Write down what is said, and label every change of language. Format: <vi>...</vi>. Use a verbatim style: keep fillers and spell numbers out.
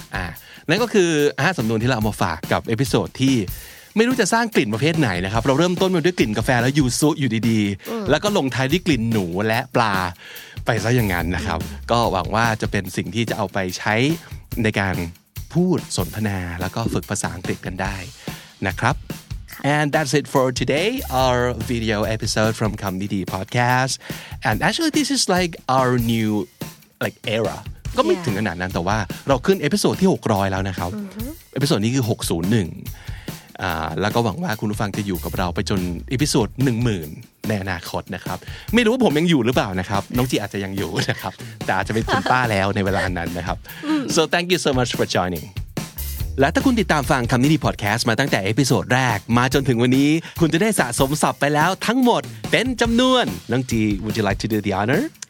<th>อ่านั่นก็คือห้าสำนวนที่เราเอามาฝากกับเอพิโซดที่ไม่รู้จะสร้างกลิ่นประเภทไหนนะครับเราเริ่มต้นมาด้วยกลิ่นกาแฟแล้วยูซุอยู่ดีๆแล้วก็ลงท้ายด้วยกลิ่นหนูและปลาไปซะอย่างนั้นนะครับ ก็หวังว่าจะเป็นสิ่งที่จะเอาไปใช้ในการพูดสนทนาแล้วก็ฝึกภาษาอังกฤษกันได้นะครับ</th> <en>And that's it for today, our video episode from Kamnidi Podcast. And actually, this is like our new like era.</en> <th>ก็ไม่</th> <en>Yeah.</en> <th>ถึงขนาดนั้นแต่ว่าเราขึ้นเอพิโซดที่หกร้อยแล้วนะครับเอพิโซดนี้คือหกศูนย์หนึ่งอ่าแล้วก็หวังว่าคุณผู้ฟังจะอยู่กับเราไปจนเอพิโซดหนึ่งหมื่นในอนาคตนะครับไม่รู้ว่าผมยังอยู่หรือเปล่านะครับน้องจีอาจจะยังอยู่นะครับแต่อาจจะเป็นคุณป้าแล้วในเวลานั้นนะครับ</th> <en>So thank you so much for joining</en> <th>และถ้าคุณติดตามฟังคำนี้ดีพอดแคสต์มาตั้งแต่เอพิโซดแรกมาจนถึงวันนี้คุณจะได้สะสมศัพท์ไปแล้วทั้งหมดเป็นจำนวนน้องจี</th> <en>would you like to do the honor</en>